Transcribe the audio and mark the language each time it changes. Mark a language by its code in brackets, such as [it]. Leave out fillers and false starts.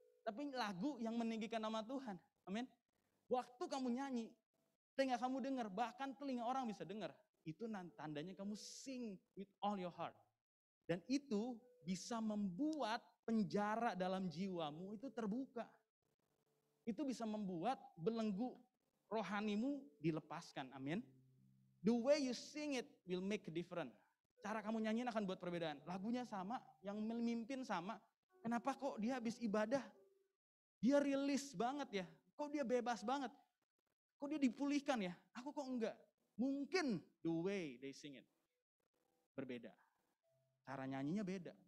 [id] tapi lagu yang meninggikan nama Tuhan. Amin. Waktu kamu nyanyi, telinga kamu dengar, bahkan telinga orang bisa dengar. Itu tandanya kamu sing with all your heart. Dan itu bisa membuat penjara dalam jiwamu itu terbuka. Itu bisa membuat belenggu rohanimu dilepaskan. Amin. [en] The way you sing it will make a difference. [id] Cara kamu nyanyiin akan buat perbedaan. Lagunya sama, yang memimpin sama. Kenapa kok dia habis ibadah? Dia rilis banget ya. Kok dia bebas banget? Kok dia dipulihkan ya? Aku kok enggak? Mungkin the way they sing it berbeda. Cara nyanyinya beda.